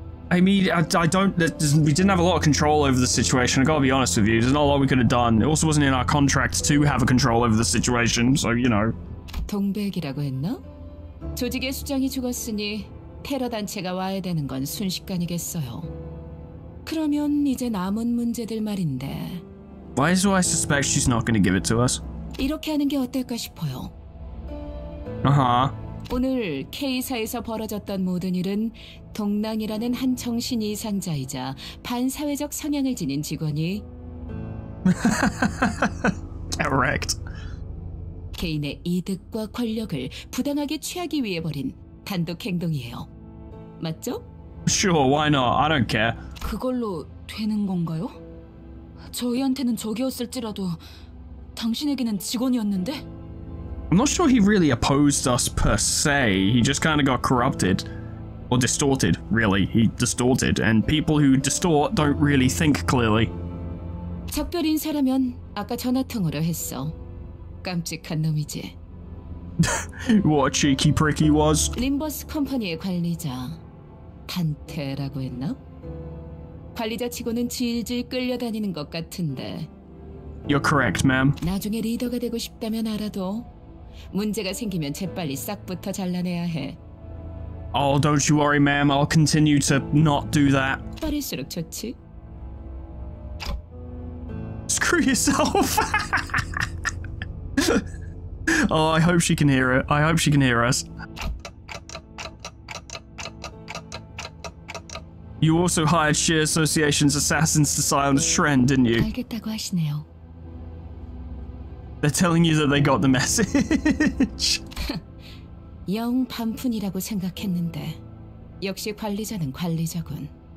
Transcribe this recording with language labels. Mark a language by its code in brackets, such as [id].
[en] I mean, we didn't have a lot of control over the situation, I gotta be honest with you. There's not a lot we could have done. It also wasn't in our contract to have a control over the situation, so, you know. [ko] 동백이라고 했나? 조직의 수장이 죽었으니 테러 단체가 와야 되는 건 순식간이겠어요. 그러면 이제 남은 문제들 말인데. [en] Why do I suspect she's not going to give it to us? [ko] 이렇게 하는 게 어떨까 싶어요. 아하. 오늘 K사에서 벌어졌던 모든 일은 동랑이라는 한 정신 이상자이자 반사회적 성향을 지닌 직원이 [en] Correct. [ko] 개인의 이득과 권력을 부당하게 취하기 위해 벌인 단독 행동이에요. 맞죠? [en] Sure, why not? I don't care. [ko] 그걸로 되는 건가요? 저희한테는 적이었을지라도 당신에게는 직원이었는데? [en] I'm not sure he really opposed us per se. He just kind of got corrupted. Or distorted, really. He distorted. And people who distort don't really think clearly. [ko] 작별인 사라면 아까 전화통으로 했어. 깜찍한 놈이지. [en] What a cheeky prick he was. [ko] Limbus 컴퍼니의 관리자. 단테라고 했나? 관리자 치고는 질질 끌려다니는 것 같은데. [en] You're correct, ma'am. [ko] 나중에 리더가 되고 싶다면 알아도 문제가 생기면 재빨리 싹부터 잘라내야 해. [en] Oh, don't you worry, ma'am. I'll continue to not do that. [ko] 빠를수록 좋지. [en] Screw yourself. Oh, I hope she can hear it. I hope she can hear us. You also hired Shear Association's assassins to silence Shren, didn't you? [ko] 알겠다고 하시네요. [en] They're telling you that they got the message. [ko] 영 반푼이라고 생각했는데 역시 관리자는 관리자군.